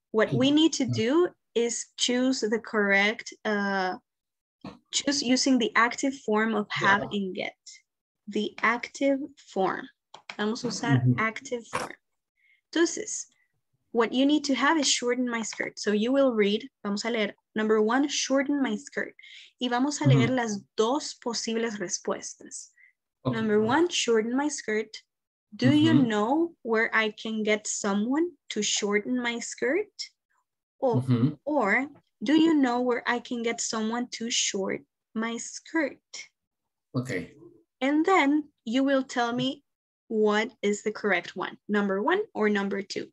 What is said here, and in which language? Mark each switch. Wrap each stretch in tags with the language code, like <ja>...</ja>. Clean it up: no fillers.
<en>What we need to do is choose the correct, choose using the active form of have and get. The active form.</en> <es>Vamos a usar</es> <en>active form. Entonces, what you need to have is shorten my skirt. So you will read,</en> <es>vamos a leer,</es> <en>number one, shorten my skirt.</en> <es>Y vamos a leer las dos posibles respuestas.</es> <en>Okay. Number one, shorten my skirt. Do you know where I can get someone to shorten my skirt? Or do you know where I can get someone to short my skirt? Okay. And then you will tell me what is the correct one, number one or number two.</en>